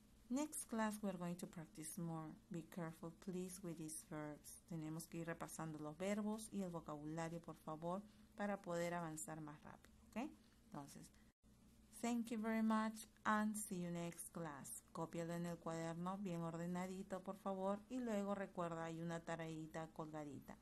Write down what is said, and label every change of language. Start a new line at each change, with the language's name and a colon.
English: Next class we're going to practice more. Be careful, please, with these verbs.
Spanish: Tenemos que ir repasando los verbos y el vocabulario, por favor, para poder avanzar más rápido. ¿Ok?
English: Entonces, thank you very much and see you next class.
Spanish: Cópialo en el cuaderno bien ordenadito, por favor. Y luego recuerda, hay una tareita colgadita.